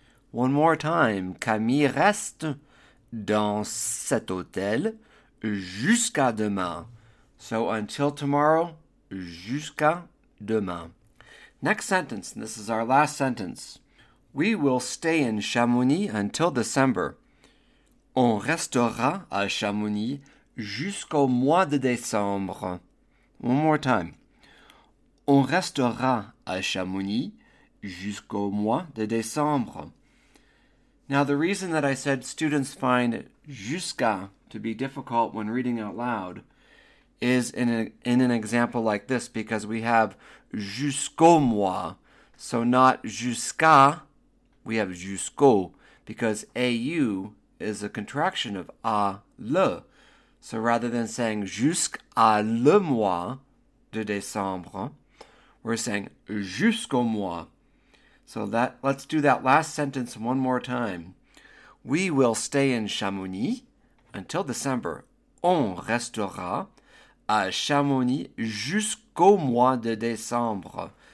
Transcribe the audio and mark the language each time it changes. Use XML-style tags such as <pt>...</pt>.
<en>One more time.</en> <fr>Camille reste dans cet hôtel jusqu'à demain.</fr> <en>So, until tomorrow,</en> <fr>jusqu'à demain.</fr> <en>Next sentence, and this is our last sentence. We will stay in Chamonix until December.</en> <fr>On restera à Chamonix jusqu'au mois de décembre.</fr> <en>One more time.</en> <fr>On restera à Chamonix jusqu'au mois de décembre.</fr> <en>Now, the reason that I said students find jusqu'à to be difficult when reading out loud is in an example like this, because we have jusqu'au mois, so not jusqu'à, we have jusqu'au, because au is a contraction of à le. So rather than saying</en> <fr>jusqu'à le mois de décembre,</fr> <en>we're saying jusqu'au mois. So that let's do that last sentence one more time. We will stay in Chamonix until December.</en> <fr>On restera à Chamonix jusqu'au mois de décembre.</fr>